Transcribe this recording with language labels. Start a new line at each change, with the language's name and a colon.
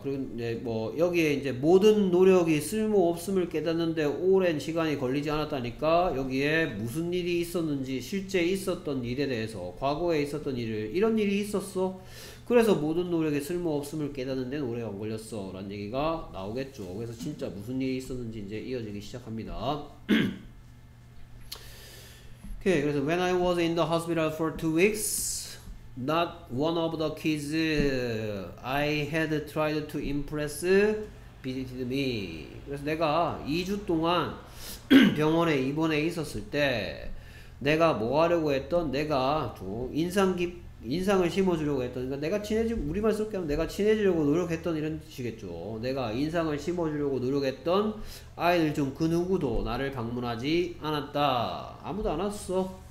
Korean: 그리고 이제 뭐, 여기에 이제 모든 노력이 쓸모없음을 깨닫는데 오랜 시간이 걸리지 않았다니까, 여기에 무슨 일이 있었는지, 실제 있었던 일에 대해서, 과거에 있었던 일을, 이런 일이 있었어. 그래서 모든 노력이 쓸모없음을 깨닫는 데는 오래 걸렸어. 라는 얘기가 나오겠죠. 그래서 진짜 무슨 일이 있었는지 이제 이어지기 시작합니다. 오케이. 그래서
English: when I was in the hospital for 2 weeks, not one of the kids I had tried to impress visited me.
Korean: 그래서 내가 2주 동안 병원에 입원해 있었을 때 내가 뭐 하려고 했던 내가 좀 인상을 심어주려고 했던, 그러니까 내가 친해지 우리말 쓸게 하면 내가 친해지려고 노력했던 이런 뜻이겠죠. 내가 인상을 심어주려고 노력했던 아이들 중그 누구도 나를 방문하지 않았다. 아무도 안 왔어.